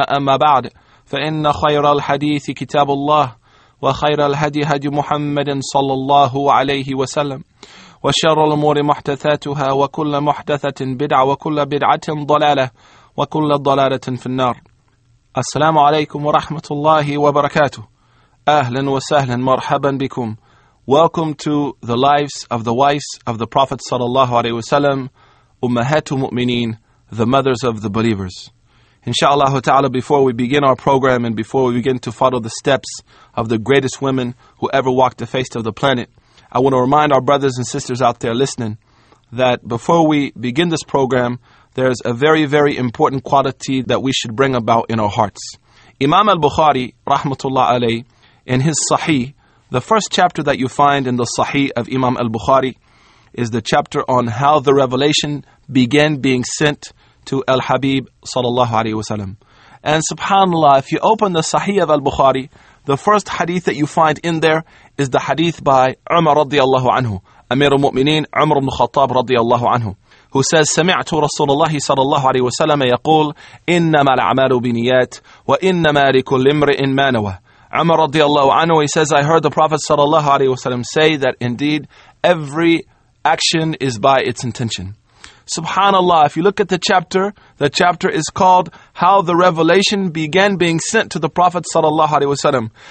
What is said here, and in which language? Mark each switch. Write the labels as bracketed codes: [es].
[ar] أما بعد، فإن خير الحديث كتاب الله وخير الهدي هدي محمد صلى الله عليه وسلم وشر الأمور محدثاتها وكل محدثة بدعة وكل بدعة ضلالة وكل ضلالة في النار. السلام عليكم ورحمة الله وبركاته. أهلا وسهلا مرحبا بكم. [en] Welcome to the lives of the wives of the Prophet [ar] صلى الله عليه وسلم. [en] Ummahatul Mu'mineen, the mothers of the believers. Inshallah ta'ala, before we begin our program and before we begin to follow the steps of the greatest women who ever walked the face of the planet, I want to remind our brothers and sisters out there listening that before we begin this program, there's a very, very important quality that we should bring about in our hearts. Imam al-Bukhari, rahmatullah alayh, in his Sahih, the first chapter that you find in the Sahih of Imam al-Bukhari is the chapter on how the revelation began being sent to Al-Habib sallallahu alayhi wa sallam. And subhanAllah, if you open the Sahih of Al-Bukhari, the first hadith that you find in there is the hadith by Umar radiallahu anhu, Amir al-Mu'minin Umar ibn Khattab radiyallahu anhu, who says, [ar] سمعت رسول الله صلى الله عليه وسلم يقول إنما الأعمال بنيات وإنما لكل امرئ ما نوى. [en] Umar radiyallahu anhu, he says, I heard the Prophet sallallahu alayhi wasallam say that indeed every action is by its intention. Subhanallah, if you look at the chapter is called How the Revelation Began Being Sent to the Prophet sallallahu alayhi wasallam.